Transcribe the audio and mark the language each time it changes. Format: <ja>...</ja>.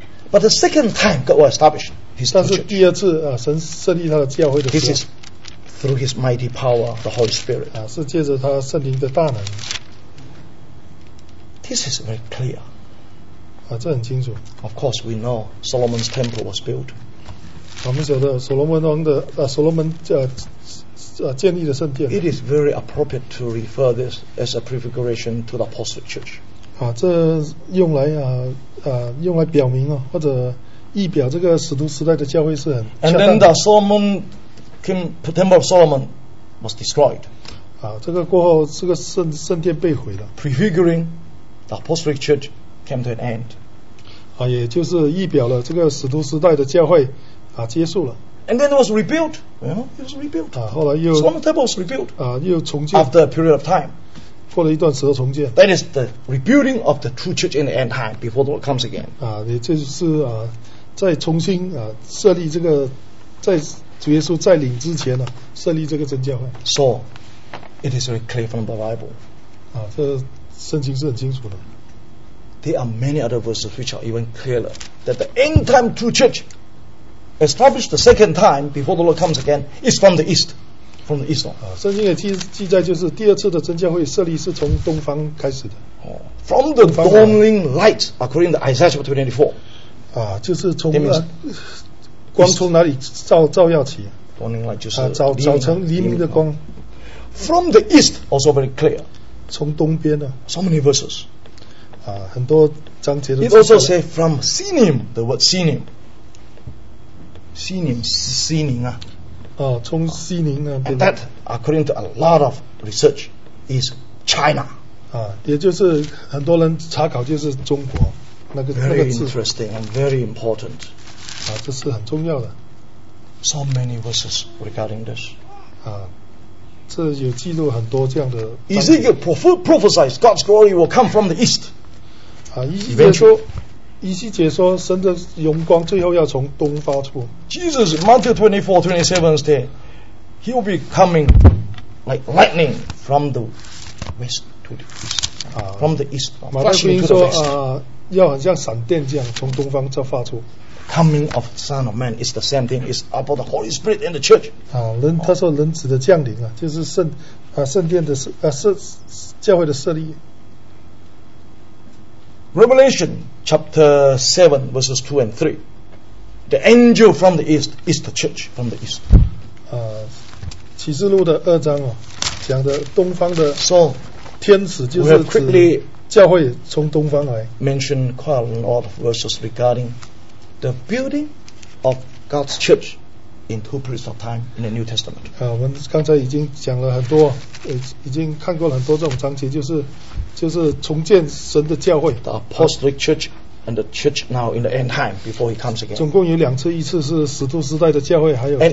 <en>But the second time God will establish his church.</en> <zh>但是第二次、神设立他的教会的时候。</zh> <en>This is through his mighty power, the Holy Spirit.</en> <zh>是借着他圣灵的大能。</zh> <en>This is very clear.</en> <zh>这很清楚。</zh> <en>Of course, we know Solomon's temple was built.</en> <zh>我们晓得所罗门王的所罗门建立的圣殿。</zh> <en>It is very appropriate to refer this as a prefiguration to the apostolic church.</en> <zh>这用来用来表明或者预表这个使徒时代的教会是很恰当的。</zh> <en>And then the Solomon the temple of Solomon was destroyed.</en> <zh>这个过后这个圣殿被毁了。</zh> <en>Prefiguring the apostolic church came to an end.</en> <zh>也就是预表了这个使徒时代的教会结束了。</zh> <en>And then it was rebuilt. It was rebuilt.</en> <zh>后来又</zh> <en>Solomon temple was rebuilt.</en> <zh>又重建。</zh> <en>After a period of time.</en> <zh>过了一段时候重建。</zh> <en>That is the rebuilding of the true church in the end time before the Lord comes again.</en> <zh>也就是再重新设立这个在主耶稣再临之前设立这个真教会。</zh> <en>So it is very clear from the Bible.</en> <zh>这圣经是很清楚的。</zh> <en>There are many other verses which are even clearer that the end time true church established the second time before the Lord comes again is from the east.</en> <zh>圣经也 记载就是第二次的真教会设立是从东方开始的。</zh> <en>From the dawning light according to Isaiah chapter 24.</en> <zh>就是从光从哪里 照耀起、就是早晨黎明的光。</zh> <en>From the east, also very clear.</en> <zh>从东边的。</zh> <en>So many verses.</en> <zh>很多章节都。</zh> <en>It also says from Sinim, the word Sinim. Sinim, Sinim.</en> <zh>从西宁那边。</zh> <en>And that, according to a lot of research, is China.</en> <zh>也就是很多人查考就是中国。</zh> <en>Very interesting and very important.</en> <zh>这是很重要的。</zh> <en>So many verses regarding this.</en> <zh>这有记录很多这样的。</zh> <en>Ezekiel prophesies God's glory will come from the east.</en> <zh>以西结说神的荣光最后要从东发出。</zh> <en>Jesus, Matthew 24:27 says, He will be coming like lightning from the west to the east. From the east.</en> <zh>马太福音说要很像闪电这样从东方再发出。</zh> <en>Coming of the Son of Man is the same thing. It's about the Holy Spirit and the Church.</en> <zh>他说人子的降临就是圣殿的教会的设立。</zh> <en>Revelation chapter 7 verses 2 and 3. The angel from the east is the church from the east.</en> <zh>启示录的二章讲的东方的天使就是指教会从东方来。</zh> <en>Mention quite a lot of verses regarding the building of God's church in two periods of time in the New Testament.</en> <zh>我们刚才已经讲了很多，已经看过了很多这种章节，就是重建神的教会。</zh> <en>The apostolic church and the church now in the end time before he comes again.</en> <zh>总共有两次，一次是使徒时代的教会，还有</zh>